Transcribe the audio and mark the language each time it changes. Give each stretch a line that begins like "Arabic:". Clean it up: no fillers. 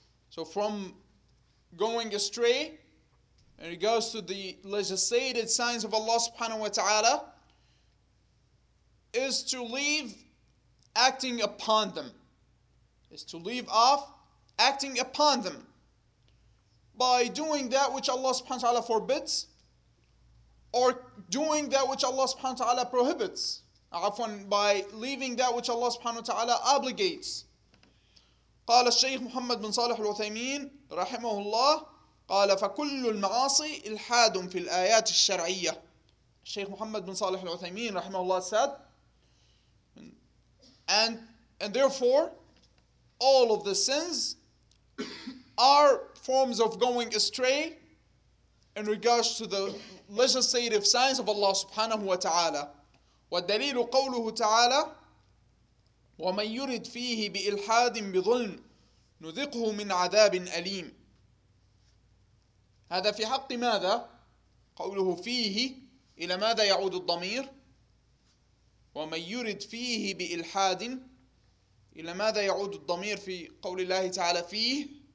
English: So from going astray in regards to the legislated signs of Allah subhanahu wa ta'ala is to leave acting upon them. is to leave off acting upon them. By doing that which Allah subhanahu wa ta'ala forbids, or doing that which Allah subhanahu wa ta'ala prohibits, often by leaving that which Allah subhanahu wa ta'ala obligates.
Arabic: قال الشيخ محمد بن صالح العثيمين رحمه الله قال فكل المعاصي إلحاد في الآيات الشرعية.
English: الشيخ محمد بن صالح العثيمين رحمه الله said, and therefore all of the sins are forms of going astray in regards to the legislative signs of Allah subhanahu wa ta'ala.
Arabic: والدليل قوله تعالى ومن يرد فيه بإلحاد بظلم نذقه من عذاب أليم. هذا في حق ماذا؟ قوله فيه إلى ماذا يعود الضمير؟ ومن يرد فيه بإلحاد إلى ماذا يعود الضمير في قول الله تعالى فيه؟